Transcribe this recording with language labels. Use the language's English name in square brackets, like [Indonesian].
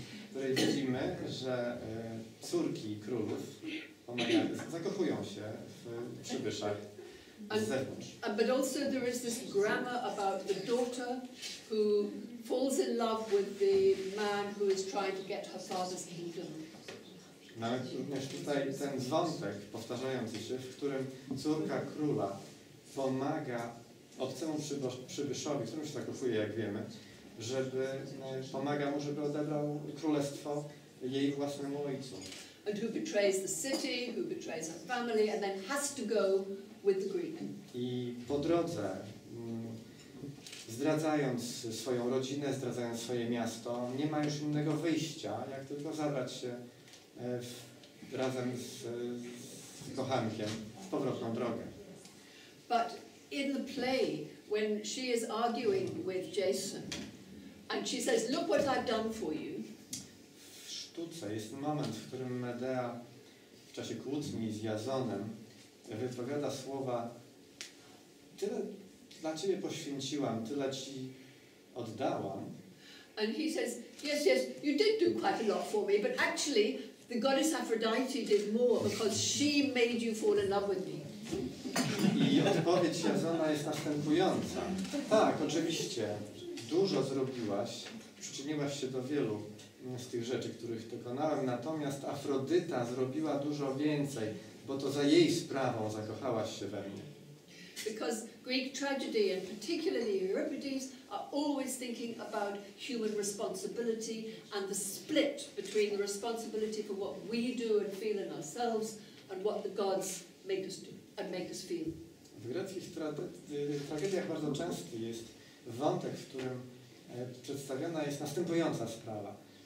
[Polish] Której widzimy, że córki królów zakochują się w przybyszach z zewnątrz. [English] But also there is this grammar about the daughter who falls in love with the man who is trying to get her father's kingdom. [Polish] Mamy również tutaj ten wątek powtarzający się, w którym córka króla pomaga obcemu przybyszowi, którym się zakochuje, jak wiemy, żeby pomaga mu, żeby odebrał królestwo jej własnemu ojcu. [English] And who betrays the city, who betrays her family, and then has to go with the Greek. [Polish] I po drodze, zdradzając swoją rodzinę, zdradzając swoje miasto, nie ma już innego wyjścia, jak tylko zabrać się razem z kochankiem w powrotną drogę. [English] But in the play, when she is arguing with Jason, and she says, look what I've done for you, [Polish] jest moment, w którym Medea w czasie kłótni z Jasonem wypowiada słowa: tyle dla ciebie poświęciłam, tyle ci oddałam. [English] And he says, yes, yes, you did do quite a lot for me, but actually the goddess Aphrodite did more because she made you fall in love with me. [Polish] I odpowiedź Jasona jest następująca. Tak, oczywiście, dużo zrobiłaś, przyczyniłaś się do wielu z tych rzeczy, których dokonałem. Natomiast Afrodyta zrobiła dużo więcej, bo to za jej sprawą zakochałaś się we mnie. [English] Because Greek tragedy and particularly Euripides are always thinking about human responsibility and the split between the responsibility for what we do and feel in ourselves and what the gods make us do and make us feel. [Polish] W greckich tragediach bardzo często jest wątek, w którym przedstawiona jest następująca sprawa.